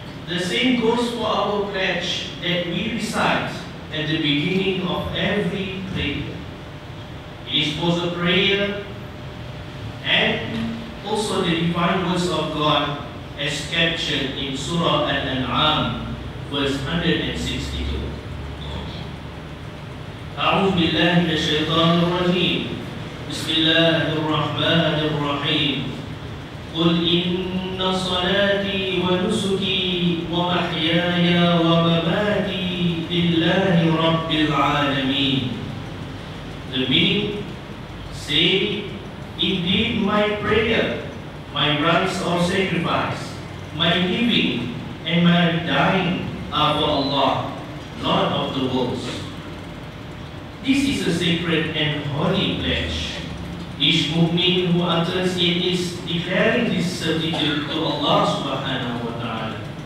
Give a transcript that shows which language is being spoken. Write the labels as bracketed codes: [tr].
[en] The same goes for our pledge that we recite at the beginning of every prayer. It was a prayer and also the divine words of God as captured in Surah Al-An'am, verse 162. [ar] أعوذ بالله من الشيطان الرجيم بسم الله الرحمن الرحيم قل إن صلاتي ونسكي ومحياي ومماتي لله رب العالمين. [en] The meaning: say, indeed my prayer, my rites or sacrifice, my living and my dying are for Allah, Lord of the worlds. This is a sacred and holy pledge. Each mu'min who utters it is declaring his certitude to Allah subhanahu wa ta'ala.